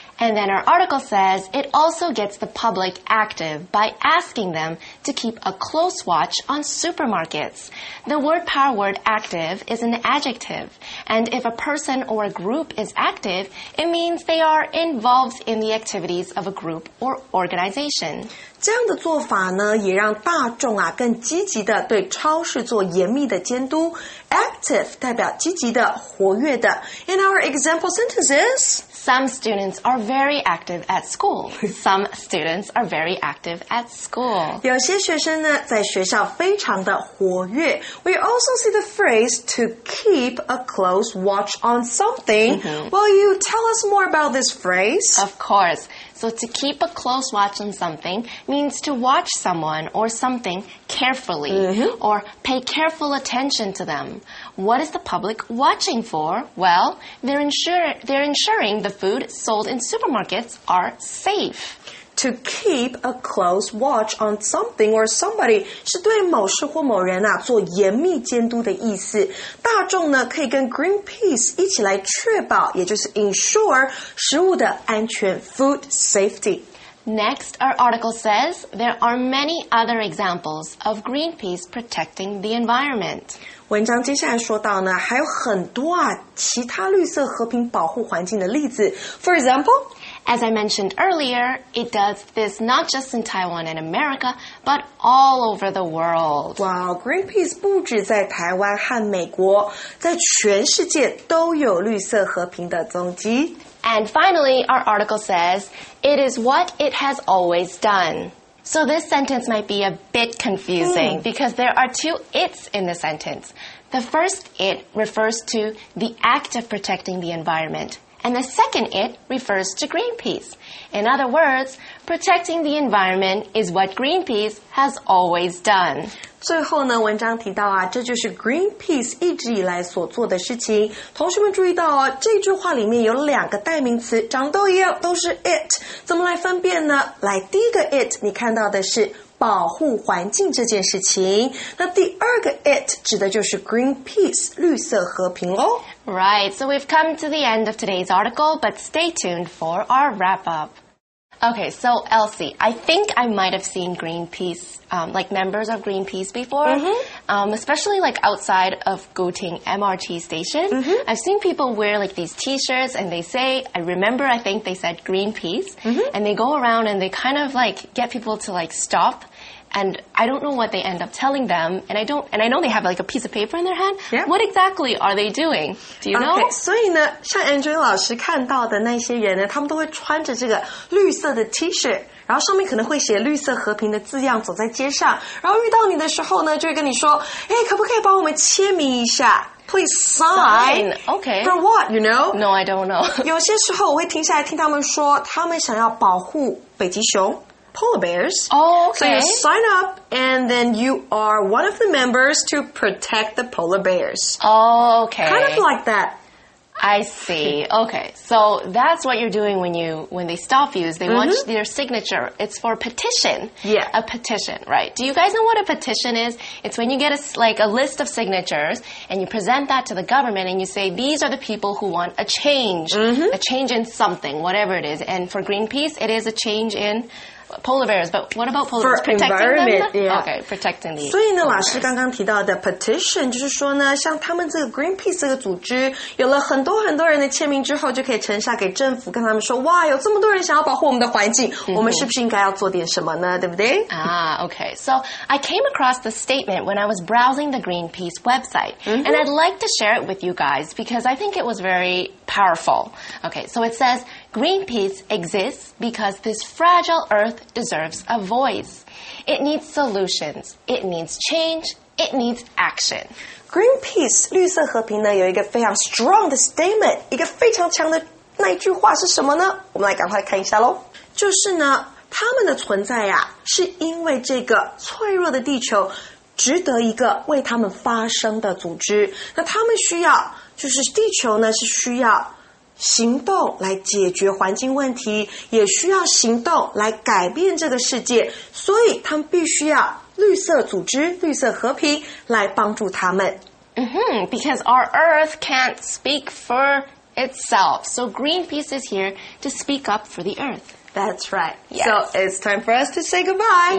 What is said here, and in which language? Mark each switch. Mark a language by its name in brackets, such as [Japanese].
[English] And then our article says it also gets the public active by asking them to keep a close watch on supermarkets. The word power word active is an adjective. And if a person or a group is active, it means they are involved in the activities of a group or organization. [Chinese] 这样的做法呢，也让大众啊更积极地对超市做严密的监督。 Active 代表积极的、活跃的。 [English] In our example sentences... Some students are very active at school. Some students are very active at school. [Chinese] 有些学生呢在学校非常的活跃。 [English] We also see the phrase to keep a close watch on something. Mm-hmm. Will you tell us more about this phrase? Of course. So to keep a close watch on something means to watch someone or something carefully, mm-hmm. or pay careful attention to them. What is the public watching for? Well, they're ensuring the food sold in supermarkets are safe. To keep a close watch on something or somebody [Chinese] 是对某事或某人啊做严密监督的意思。大众呢可以跟 Greenpeace 一起来确保，也就是 ensure 食物的安全 [English] food safety. Next, our article says there are many other examples of Greenpeace protecting the environment. [Chinese] 文章接下来说到呢，还有很多啊，其他绿色和平保护环境的例子。 [English] For example... As I mentioned earlier, it does this not just in Taiwan and America, but all over the world. [Chinese] Wow, Greenpeace 不止在台湾和美国，在全世界都有绿色和平的踪迹。 [English] And finally, our article says, it is what it has always done. So this sentence might be a bit confusing, because there are two it's in the sentence. The first it refers to the act of protecting the environment. And the second it refers to Greenpeace. In other words, protecting the environment is what Greenpeace has always done. [Chinese] 最后呢，文章提到啊，这就是 Greenpeace 一直以来所做的事情。同学们注意到啊，这句话里面有两个代名词，长得都一样，都是 it。怎么来分辨呢？来，第一个 it， 你看到的是保护环境这件事情。那第二个 it 指的就是 Greenpeace， 绿色和平咯。 [English] Right, so we've come to the end of today's article, but stay tuned for our wrap-up. Okay, so Elsie, I think I might have seen Greenpeace, like members of Greenpeace before, mm-hmm. Especially like outside of Guting MRT station. Mm-hmm. I've seen people wear like these t-shirts and they say, I remember I think they said Greenpeace, mm-hmm. and they go around and they kind of like get people to like stop. And I don't know what they end up telling them. And I know they have like a piece of paper in their hand. Yeah. What exactly are they doing? Do you know? [Chinese] Okay, 所以呢，像 Andrew 老师看到的那些人呢，他们都会穿着这个绿色的 T-shirt， 然后上面可能会写绿色和平的字样，走在街上。然后遇到你的时候呢，就会跟你说，哎，可不可以帮我们签名一下？ [English] Please sign. Okay. For what, you know? No, I don't know. [Chinese] 有些时候我会停下来听他们说，他们想要保护北极熊。 [English] Polar bears. Oh, okay. So you sign up, and then you are one of the members to protect the polar bears. Oh, okay. Kind of like that. I see. Okay. So that's what you're doing when they stop you, is they mm-hmm. want your signature. It's for a petition. Yeah. A petition, right. Do you guys know what a petition is? It's when you get a list of signatures, and you present that to the government, and you say, these are the people who want a change. Mm-hmm. A change in something, whatever it is. And for Greenpeace, it is a change in... Polar bears, but what about polar bears? For environment, yeah. Okay, protecting the [Chinese] 所以呢，老师刚刚提到的 petition 就是说呢，像他们这个 Greenpeace 这个组织有了很多很多人的签名之后，就可以呈上给政府，跟他们说，哇，有这么多人想要保护我们的环境，我们是不是应该要做点什么呢？对不对？ [English] Okay. So I came across the statement when I was browsing the Greenpeace website, mm-hmm. and I'd like to share it with you guys because I think it was very powerful. Okay, so it says... Greenpeace exists because this fragile earth deserves a voice. It needs solutions. It needs change. It needs action. [Chinese] Greenpeace, 绿色和平呢，有一个非常 strong 的 statement, 一个非常强的那一句话是什么呢？我们来赶快看一下咯。就是呢，他们的存在呀，是因为这个脆弱的地球值得一个为他们发声的组织。那他们需要，就是地球呢，是需要行动来解决环境问题，也需要行动来改变这个世界，所以他们必须要绿色组织、绿色和平来帮助他们。 [English] Mm-hmm, because our Earth can't speak for itself. So Greenpeace is here to speak up for the Earth. That's right. Yes. So it's time for us to say goodbye.